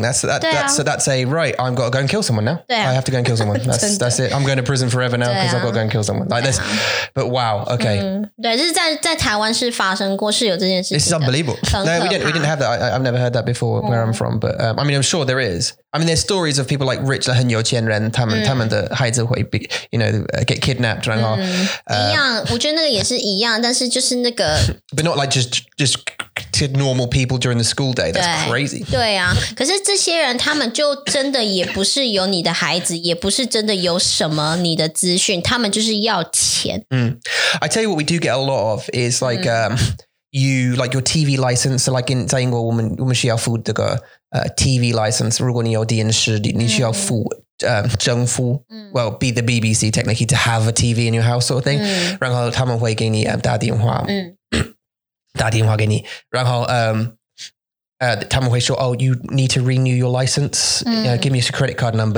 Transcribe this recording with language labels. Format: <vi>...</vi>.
<en>That's a right, I've got to go and kill someone now.</en> <zh>对啊。</zh> <en>I have to go and kill someone. That's it. I'm going to prison forever now because I've got to go and kill someone. Like this. But wow, okay.</en> <zh>对，就是在台湾是发生过, 是有这件事情的。</zh> <en>It's unbelievable. No, we didn't have that. I've never heard that before where I'm from, but I mean, I'm sure there is. I mean, there's stories of people like rich,</en> <zh>很有钱人, 他们, 他们的孩子会,</zh> <en>be, you know, get kidnapped,</en> <zh>然后, 一样, 我觉得那个也是一样, 但是就是那个,</zh> <en>but not like just to normal people during the school day. That's</en> <zh>对,</zh> <en>crazy.</en> <zh>对啊, 可是这些人, 他们就真的也不是有你的孩子, 也不是真的有什么你的资讯, 他们就是要钱。</zh> <en>I tell you what we do get a lot of is like, you, like your TV license. So like in</en> <zh>在英国, 我们需要付这个,</zh> <en>TV license,</en> <zh>如果你有电视, 你需要付,</zh> <en>well, be the BBC technically to have a TV in your house sort of thing.</en> <zh>然后他们会给你, 打电话, 打电话给你, 然后, 他们会说,</zh> <en>oh, you need to renew your license. Give me a credit card number.</en>